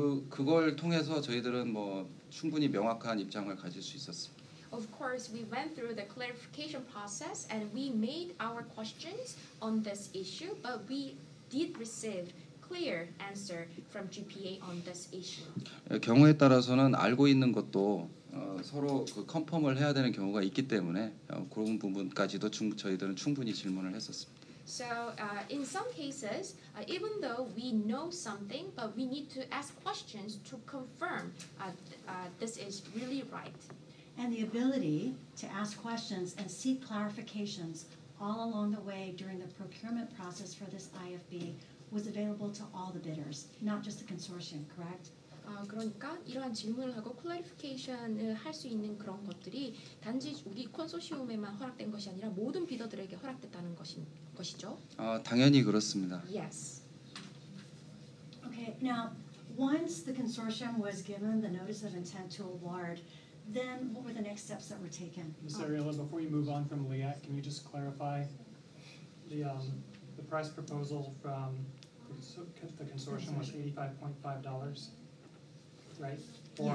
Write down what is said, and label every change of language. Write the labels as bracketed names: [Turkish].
[Korean] 그걸 통해서 저희들은 뭐 충분히 명확한 입장을 가질 수 있었습니다. [English] Of course, we went through the clarification process and we made our questions on this issue, but we did receive clear answer from GPA on this issue. [Korean] 경우에 따라서는 알고 있는 것도 서로 그 컨펌을 해야 되는 경우가 있기 때문에 그런 부분까지도 저희들은 충분히 질문을 했었습니다. [English] So in some cases, even though we know something, but we need to ask questions to confirm this is really right. And the ability to ask questions and seek clarifications all along the way during the procurement process for this IFB was available to all the bidders, not just the consortium, correct? [Korean] 그러니까 이러한 질문을 하고 클래리피케이션을 할 수 있는 그런 것들이 단지 우리 컨소시엄에만 허락된 것이 아니라 모든 비더들에게 허락됐다는 것이죠? 당연히 그렇습니다. [English] Yes. Okay. Now, once the consortium was given the notice of intent to award, then what were the next steps that were taken? Ms. Ariella, before you move on from LIAC, can you just clarify the price proposal from the consortium was $85.5? Right? Or